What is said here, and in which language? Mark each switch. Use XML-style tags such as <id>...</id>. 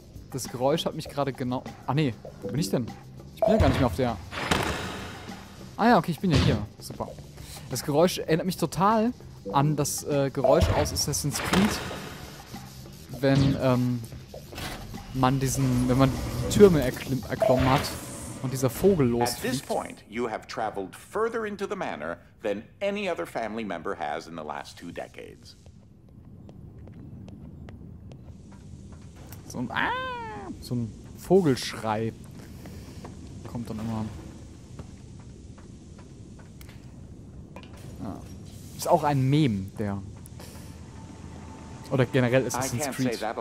<de>Das Geräusch hat mich gerade genau. Ah nee, wo bin ich denn? Ich bin ja gar nicht mehr auf der. Ah ja, okay, ich bin ja hier. Super. Das Geräusch erinnert mich total an das Geräusch aus Assassin's Creed. Wenn, man diesen, wenn man die Türme erklommen hat und dieser Vogel losfliegt.</de> <en>At this point, you have traveled further into the manor than any other family member has in the last two decades.</en> <de>So ein, so ein Vogelschrei kommt dann immer. Ja. Ist auch ein Meme, der. Oder generell ist es ein Screed.</de>